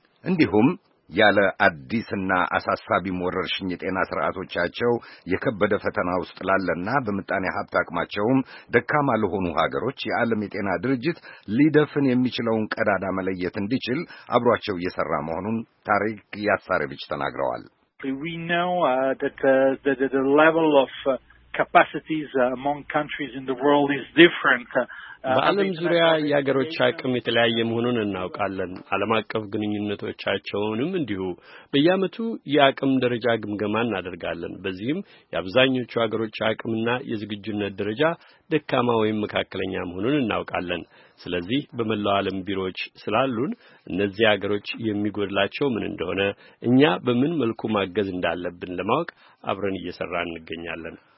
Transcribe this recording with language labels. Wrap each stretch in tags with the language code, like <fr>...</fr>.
<am>እንዲሁም ያለ አዲስና አሳሳቢ ወረርሽኝ የጤና ስርዓቶቻቸው የከበደ ፈተና ውስጥ ላለና በመጣኔ ሀብት አቅማቸውም ደካማ ለሆኑ ሀገሮች የዓለም የጤና ድርጅት ሊደፍን የሚችለውን ቀዳዳ መለየት እንዲችል አብሯቸው እየሰራ መሆኑን ታሪክ ያሳሬቪች ተናግረዋል።</am> <en>We know that the level of capacities among countries in the world is different.</en> <am>በዓለም ዙሪያ የሀገሮች አቅም የተለያየ መሆኑን እናውቃለን። ዓለም አቀፍ ግንኙነቶቻቸውንም እንዲሁ በየዓመቱ የአቅም ደረጃ ግምገማ እናደርጋለን። በዚህም የአብዛኞቹ ሀገሮች አቅምና የዝግጁነት ደረጃ ደካማ ወይም መካከለኛ መሆኑን እናውቃለን። ስለዚህ በመላው ዓለም ቢሮዎች ስላሉን እነዚህ ሀገሮች የሚጎድላቸው ምን እንደሆነ፣ እኛ በምን መልኩ ማገዝ እንዳለብን ለማወቅ አብረን እየሰራን እንገኛለን።</am>